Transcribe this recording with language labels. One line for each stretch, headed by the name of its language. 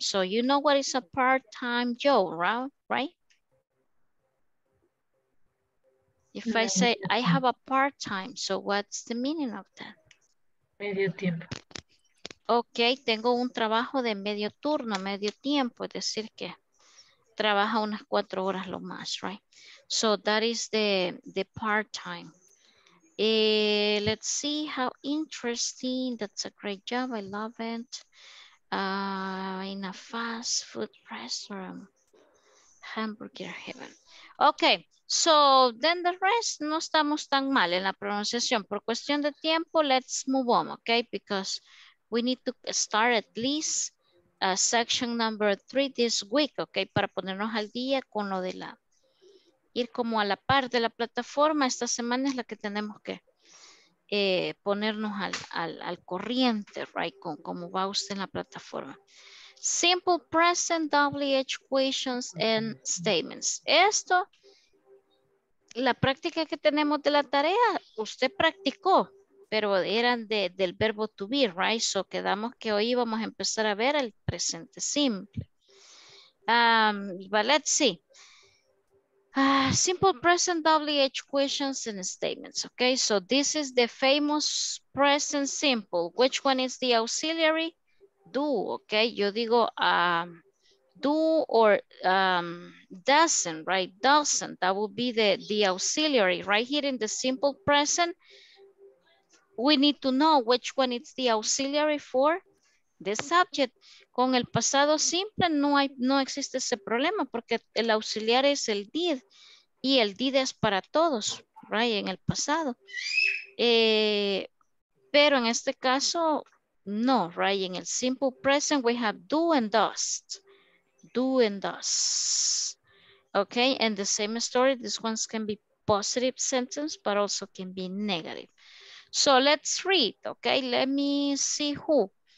English: So you know what is a part-time job, right? If I say I have a part-time, so what's the meaning of that?
Spanish: Medio tiempo. Okay, tengo un trabajo de medio turno, medio tiempo, es decir que trabaja unas cuatro horas lo más, right?
English: So that is the part-time. Let's see, how interesting. That's a great job. I love it. In a fast food restaurant. Hamburger Heaven. Okay, so then the rest,
Spanish: no estamos tan mal en la pronunciación. Por cuestión de tiempo,
English: let's move on, okay? Because we need to start at least section number 3 this week, okay?
Spanish: Para ponernos al día con lo de la, ir como a la par de la plataforma. Esta semana es la que tenemos que ponernos al corriente, right? Con cómo va usted en la plataforma.
English: Simple present, WH questions and statements.
Spanish: Esto, la práctica que tenemos de la tarea, usted practicó, pero eran del verbo to be, right? So quedamos que hoy vamos a empezar a ver el presente simple.
English: But let's see. Simple present, WH questions and statements. Okay, so this is the famous present simple. Which one is the auxiliary? Do, okay,
Spanish: yo digo
English: do or doesn't, right? Doesn't, that would be the auxiliary. Right here in the simple present, we need to know which one is the auxiliary for the subject.
Spanish: Con el pasado simple no existe ese problema porque el auxiliar es el did y el did es para todos, right, en el pasado. Pero en este caso, no, right?
English: In the simple present, we have do and does. Do and does. Okay, and the same story. These ones can be positive sentence, but also can be negative. So let's read, okay? Let me see who.